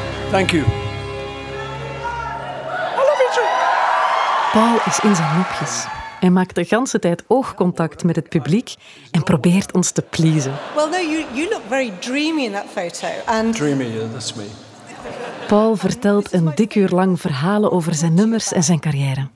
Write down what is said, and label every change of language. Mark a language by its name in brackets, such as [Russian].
[English] Thank you. I love you. [Dutch] Paul is in zijn nopjes. Hij maakt de ganse tijd oogcontact met het publiek en probeert ons te pleasen. [English] Well, no, you look very dreamy in that photo. And dreamy, yeah, that's me. [Dutch] Paul vertelt een dik uur lang verhalen over zijn nummers en zijn carrière.